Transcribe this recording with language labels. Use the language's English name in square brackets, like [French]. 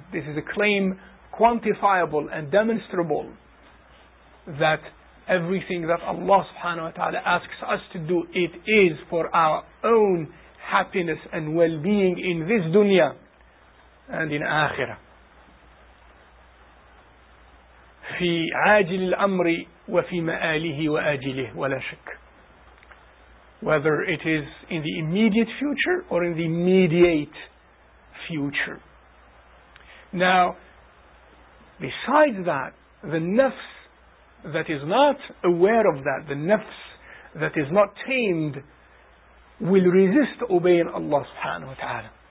[English] This is a claim quantifiable and demonstrable, that everything that Allah subhanahu wa ta'ala asks us to do, it is for our own happiness and well-being in this dunya and in akhirah. [Arabic] في عاجل الأمر وفي مآله وآجله ولا شك. [English] Whether it is in the immediate future or in the immediate future. Now, besides that, the nafs that is not aware of that, the nafs that is not tamed, will resist obeying Allah subhanahu wa ta'ala.